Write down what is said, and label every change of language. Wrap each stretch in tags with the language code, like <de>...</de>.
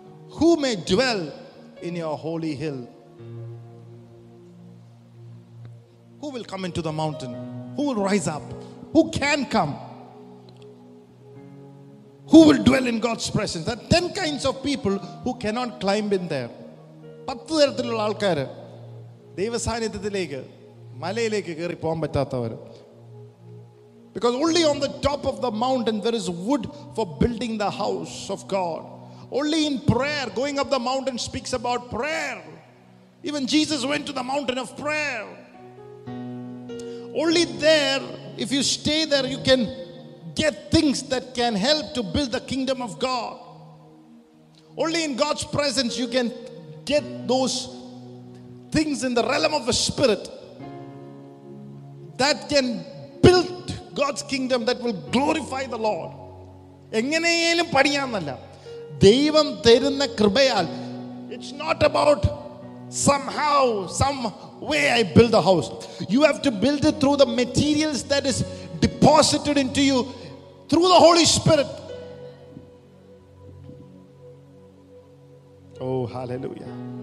<en>Who may dwell in your holy hill? Who will come into the mountain? Who will rise up? Who can come? who will dwell in God's presence. There are 10 kinds of people who cannot climb in there.</en> <ml>10 തരത്തിലുള്ള ആൾക്കാർ ദൈവസാന്നിധ്യത്തിലേക്ക് മലയിലേക്ക് കയറി പോകാൻ പറ്റാത്തവർ.</ml> <en>Because only on the top of the mountain there is wood for building the house of God. Only in prayer, going up the mountain speaks about prayer. Even Jesus went to the mountain of prayer. Only there, if you stay there, you can get things that can help to build the kingdom of God. Only in God's presence you can get those things in the realm of the spirit that can build God's kingdom, that will glorify the Lord.</en> <ml>എങ്ങനെയും പണിയാന്നല്ല, ദൈവം തരുന്ന കൃപയാൽ.</ml> <en>It's not about somehow, some way I build a house. You have to build it through the materials that is deposited into you through the Holy Spirit. Oh, hallelujah.</en>